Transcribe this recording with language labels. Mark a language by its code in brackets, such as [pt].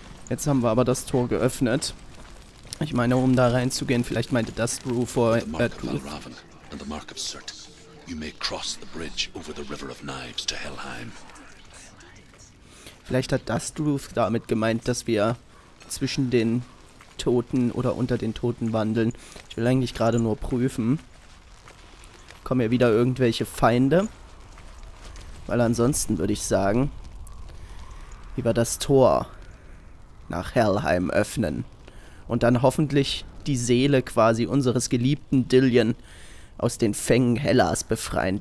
[de] Jetzt haben wir aber das Tor geöffnet. Ich meine, um da reinzugehen, vielleicht meinte das Drew vor... [en] You may cross the bridge over the River of Knives to Helheim. [de] Vielleicht hat das Druth damit gemeint, dass wir zwischen den Toten oder unter den Toten wandeln. Ich will eigentlich gerade nur prüfen. Kommen hier wieder irgendwelche Feinde? Weil ansonsten würde ich sagen, über das Tor nach Helheim öffnen und dann hoffentlich die Seele quasi unseres geliebten Dillion aus den Fängen Hellas befreien.